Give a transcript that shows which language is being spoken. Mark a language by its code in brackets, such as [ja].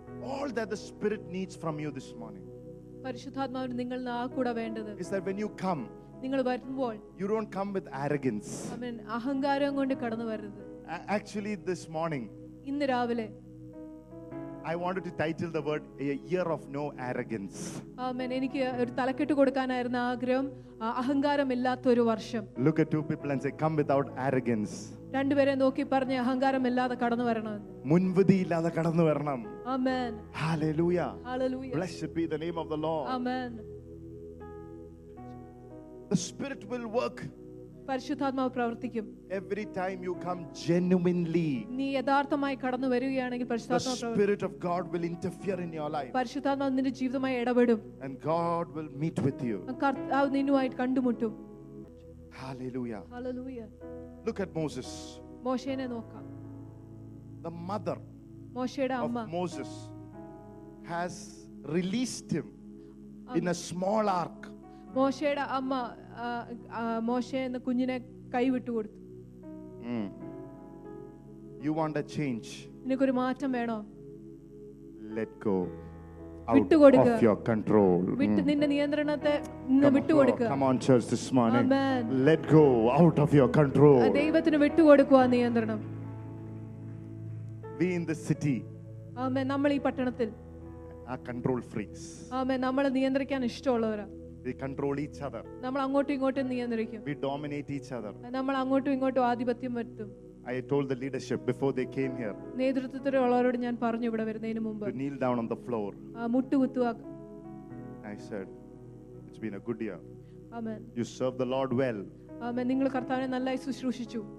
[en] All that the Spirit needs from you this morning. [ml] പരിശുദ്ധാത്മാവിനെ നിങ്ങൾ ആ കൂടെ വേണ്ടത്. [en] Is that when you come? [ml] നിങ്ങൾ വരുമ്പോൾ. [en] You don't come with arrogance. [ml] Amen. അഹങ്കാരം കൊണ്ട് കടന്നു വരരുത്. [en] Actually this morning. [ml] ഇന്ന് രാവിലെ. [en] I wanted to title the word a year of no arrogance. Amen. [ml] എനിക്ക് ഒരു തലക്കെട്ട് കൊടുക്കാനായിരുന്നു ആഗ്രഹം. അഹങ്കാരം ഇല്ലാത്ത ഒരു വർഷം. [en] Look at two people and say come without arrogance. [ml] രണ്ട് പേരെ നോക്കി പറഞ്ഞു അഹങ്കാരം ഇല്ലാതെ കടന്നു വരണം. മുൻവിധി ഇല്ലാതെ കടന്നു വരണം. [en] Amen. Hallelujah. Hallelujah. Blessed be the name of the Lord. Amen. The Spirit will work. [ml] പരിശുദ്ധാത്മാവ് പ്രവർത്തിക്കും. [en] Every time you come genuinely. [ml] നീ യഥാർത്ഥമായി കടന്നു വരികയാണെങ്കിൽ പരിശുദ്ധാത്മാവ് പ്രവർത്തിക്കും. [en] The Spirit of God will interfere in your life. [ml] പരിശുദ്ധാത്മാവ് നിന്റെ ജീവിതമായി ഇടപെടും. [en] And God will meet with you. [ml] കർത്താവ് നിന്നുമായി കണ്ടുമുട്ടും. [en] Hallelujah. Hallelujah. Look at Moses. [ml] മോശയെ നോക്കാം. [en] The mother. [ml] മോശയുടെ അമ്മ. [en] Of Moses has released him in a small ark. [ml] മോശയുടെ അമ്മ മോശ എന്ന കുഞ്ഞിനെ കൈവിട്ടു കൊടുത്തു. [en] You want a change? [ml] നിനക്ക് ഒരു മാറ്റം വേണോ? [en] Let go. [ml] വിട്ടു കൊടുക്ക. [en] Of your control. [ml] വിട്ടു നിന്റെ നിയന്ത്രണത്തെ നിന്നെ വിട്ടു കൊടുക്ക. [en] Come on church this morning. [ml] Amen. [en] Let go out of your control. [ml] ദൈവത്തിന് വിട്ടു കൊടുക്കുക നിയന്ത്രണം. [en] Be in the city. [ml] ആമേൻ. നമ്മൾ ഈ പട്ടണത്തിൽ. [en] ആ control freaks. [ml] ആമേൻ. നമ്മൾ നിയന്ത്രിക്കാൻ ഇഷ്ടമുള്ളവരാ. [en] We control each other. [ml] നമ്മൾ അങ്ങോട്ടും ഇങ്ങോട്ടും നിയന്ത്രിക്കും. [en] We dominate each other. [ml] നമ്മൾ അങ്ങോട്ടും ഇങ്ങോട്ടും ആധിപത്യം വരുത്തും. [en] I told the leadership before they came here. [ml] നേതൃത്വത്തിലുള്ളവരോട് ഞാൻ പറഞ്ഞു ഇവിടെ വരുന്നതിന് മുമ്പ്. [en] To kneel down on the floor. [ml] മുട്ടുകുത്തുക. [en] I said it's been a good year. Amen. You served the Lord well. Amen. [ml] നിങ്ങൾ കർത്താവിനെ നന്നായി ശുശ്രൂഷിച്ചു.